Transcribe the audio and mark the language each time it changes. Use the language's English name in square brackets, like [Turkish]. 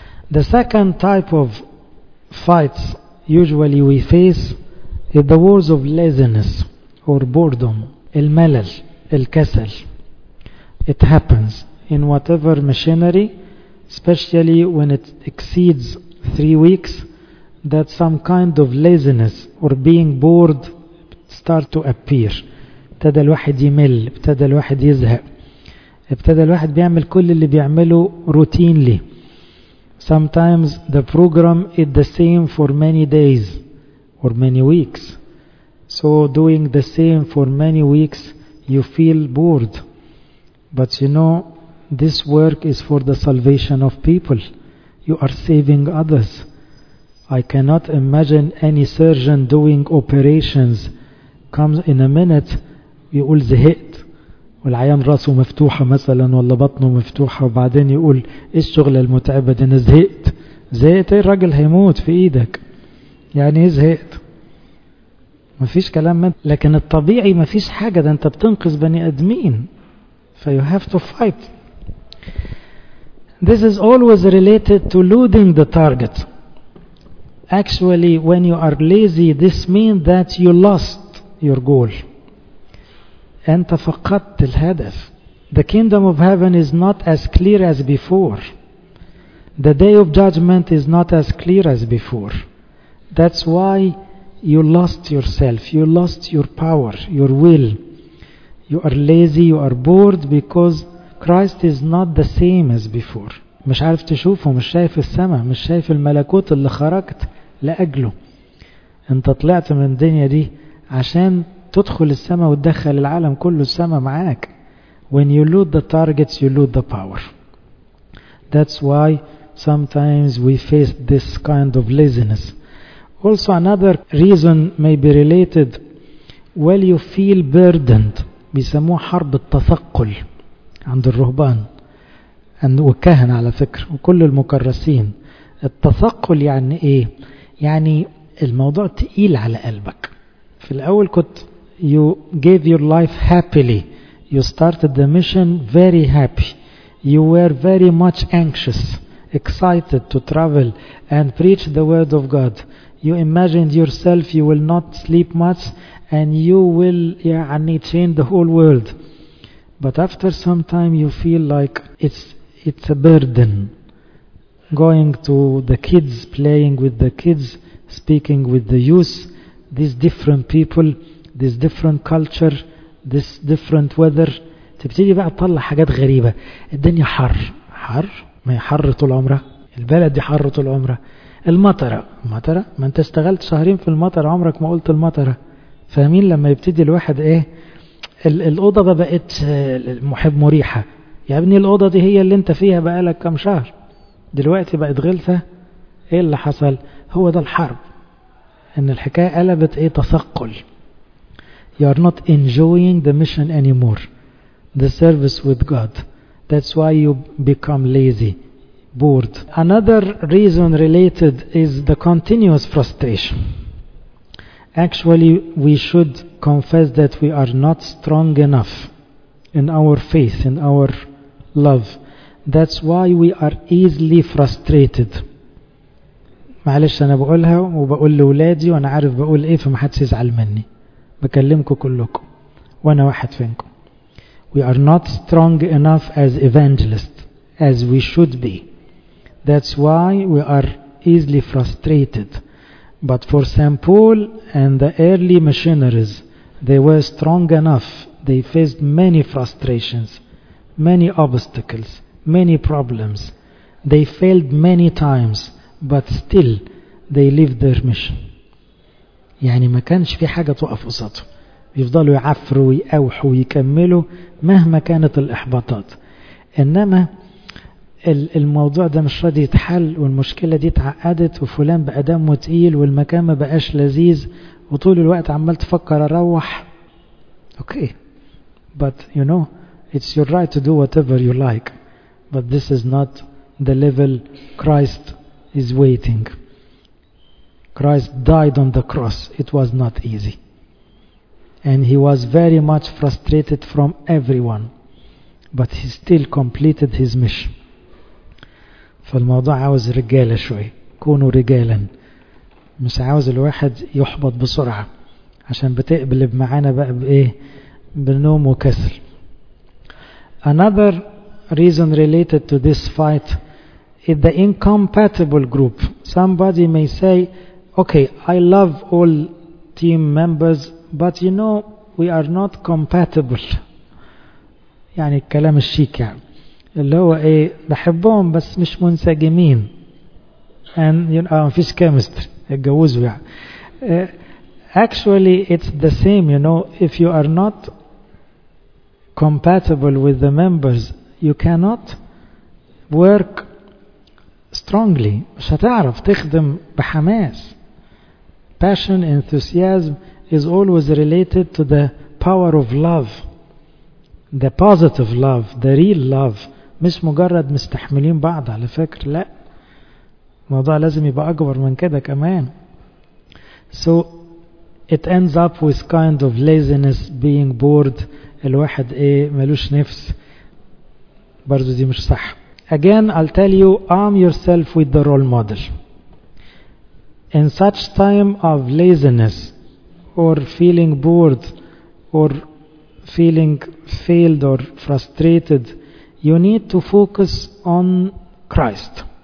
[English] The second type of fights usually we face is the wars of laziness or boredom, الملل. [Arabic] الكسل. [English] It happens in whatever machinery, especially when it exceeds 3 weeks, that some kind of laziness or being bored start to appear. [Arabic] ابتدى الواحد يمل, ابتدى الواحد يزهق, ابتدى الواحد بيعمل كل اللي بيعمله روتينلي. [English] Sometimes the program is the same for many days or many weeks. So doing the same for many weeks, you feel bored. But you know, this work is for the salvation of people. You are saving others. I cannot imagine any surgeon doing operations comes in a minute, [Arabic] يقول زهقت والعيان راسه مفتوحة مثلا ولا بطنه مفتوحة, وبعدين يقول ايه الشغلة المتعبة دي, انا زهقت. زهقت ايه, الراجل هيموت في ايدك. يعني ايه زهقت؟ مفيش كلام منه. لكن الطبيعي مفيش حاجة, ده انت بتنقذ بني ادمين. [English] So you have to fight. This is always related to looting the target. Actually, when you are lazy, this means that you lost your goal. [Arabic] أنت فقدت الهدف. [English] The kingdom of heaven is not as clear as before. The day of judgment is not as clear as before. That's why you lost yourself. You lost your power, your will. You are lazy, you are bored, because Christ is not the same as before. [Arabic] مش عارف تشوفه, مش شايف السماء, مش شايف الملكوت اللي خرجت لأجله. أنت طلعت من الدنيا دي عشان تدخل السماء وتدخل العالم كله السماء معاك. [English] When you lose the targets, you lose the power. That's why sometimes we face this kind of laziness. Also another reason may be related. Well, you feel burdened. [Arabic] بيسموه حرب التثقل عند الرهبان والكهنة على فكرة وكل المكرسين. التثقل يعني ايه؟ يعني الموضوع تقيل على قلبك. في الاول كنت [English] you gave your life happily, you started the mission very happy, you were very much anxious, excited to travel and preach the word of God, you imagined yourself you will not sleep much and you will [Arabic] يعني [English] change the whole world. But after some time you feel like it's a burden, going to the kids, playing with the kids, speaking with the youth, these different people, this different culture, this different weather. [Arabic] تبتدي بقى تطلع حاجات غريبة. الدنيا حر. حر؟ ما هي حر طول عمرها. البلد دي حر طول عمرها. المطرة. مطرة؟ ما انت اشتغلت شهرين في المطر عمرك ما قلت المطرة. فاهمين لما يبتدي الواحد ايه؟ الأوضة ما بقتش محب مريحة. يا ابني الأوضة دي هي اللي انت فيها بقالك كم شهر. دلوقتي بقت غلسة. ايه اللي حصل؟ هو ده الحرب. ان الحكاية قلبت ايه؟ تثقل. [English] You are not enjoying the mission anymore, the service with God. That's why you become lazy, bored. Another reason related is the continuous frustration. Actually, we should confess that we are not strong enough in our faith, in our love. That's why we are easily frustrated. [Arabic] معلش أنا بقولها وبقول لأولادي وأنا عارف بقول إيه فمحدش يزعل مني. بكلمكم كلكم وانا واحد فينكم. [English] We are not strong enough as evangelists as we should be. That's why we are easily frustrated. But for St. Paul and the early missionaries, they were strong enough. They faced many frustrations, many obstacles, many problems. They failed many times, but still they lived their mission. [Arabic] يعني ما كانش في حاجة توقف قصاده, بيفضلوا يعفروا ويقوحوا ويكملوا مهما كانت الإحباطات. إنما الموضوع ده مش راضي يتحل والمشكلة دي تعقدت وفلان بقى دمه تقيل والمكان ما بقاش لذيذ وطول الوقت عمال تفكر أروح. [English] Okay, but you know it's your right to do whatever you like, but this is not the level Christ is waiting. Christ died on the cross. It was not easy. And he was very much frustrated from everyone. But he still completed his mission. [Arabic] فالموضوع عاوز رجالة شوي. كونوا رجالا. مش عاوز الواحد يحبط بسرعة. عشان بتقبل معانا بقى بإيه؟ بالنوم وكسل. [English] Another reason related to this fight is the incompatible group. Somebody may say, okay, I love all team members, but you know, we are not compatible. [Arabic] يعني الكلام الشيك يعني. اللي هو ايه, بحبهم بس مش منسجمين. [English] And you know, [Arabic] فيش [English] chemistry. [Arabic] اتجوزوا يعني. [English] Actually, it's the same, you know, if you are not compatible with the members, you cannot work strongly. [Arabic] مش هتعرف تخدم بحماس. [English] Passion, enthusiasm is always related to the power of love, the positive love, the real love. [Arabic] مش مجرد مستحملين بعض على فكر, لا. الموضوع لازم يبقى أكبر من كده كمان. [English] So it ends up with kind of laziness, being bored. [Arabic] الواحد ايه ملوش نفس. برضو دي مش صح. [English] Again, I'll tell you, arm yourself with the role model. In such time of laziness or feeling bored or feeling failed or frustrated, you need to focus on Christ.